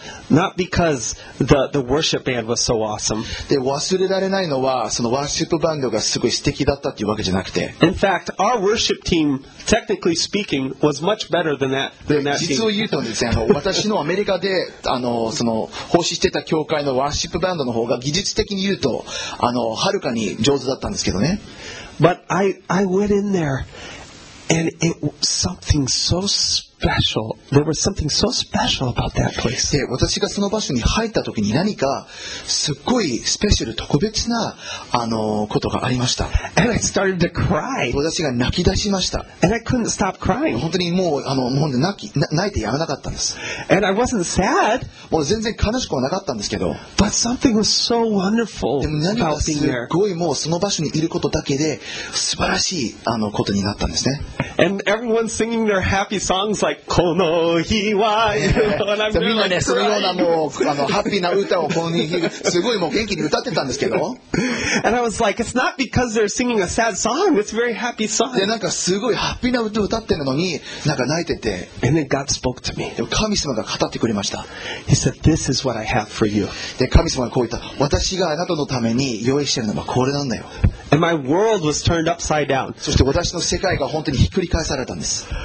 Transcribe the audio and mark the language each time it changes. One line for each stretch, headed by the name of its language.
English: Not because the worship band was so awesome.
Japanese: で、忘れられないのは、そのワーシップバンドがすごい素敵だったっていうわけじゃなくて。
English: In fact, our worship team, technically speaking, was much better than that.
Japanese: で、実を言うとですね、私のアメリカで、その、奉仕してた教会のワーシップバンドの方が技術的に言うとはるかに上手だったんですけどね。
English: But I went in there and it was something so special. There was something so special about that place.
Japanese: で、私がその場所に入った時に何かすっごいスペシャル特別なことがありました。
English: And I started to cry.
Japanese: 私が泣き出しました。
English: And I couldn't stop crying.
Japanese: 本当にもう泣いてやめなかったんです。
English: And I wasn't sad.
Japanese: もう全然悲しくはなかったんですけど。
English: But something was so wonderful about being there.
Japanese: でも何かすごいもうその場所にいることだけで素晴らしいことになったんですね。
English: And everyone singing their happy songs. It's like,
Japanese: この日は、
English: and I'm really crying.
Japanese: みんなね、そのようなもう、ハッピーな歌をこの日、すごいもう元気に歌ってたんですけど。
English: And I was like, it's not because they're singing a sad song, it's a very happy song.
Japanese: で、なんかすごいハッピーな歌を歌ってるのに、なんか泣いてて。
English: And then God spoke to me.
Japanese: 神様が語ってくれました。
English: He said, this is what I have for you.
Japanese: で、神様がこう言った、私があなたのために用意してるのはこれなんだよ。
English: And my world was turned upside down.
Japanese: そして私の世界が本当にひっくり返されたんです。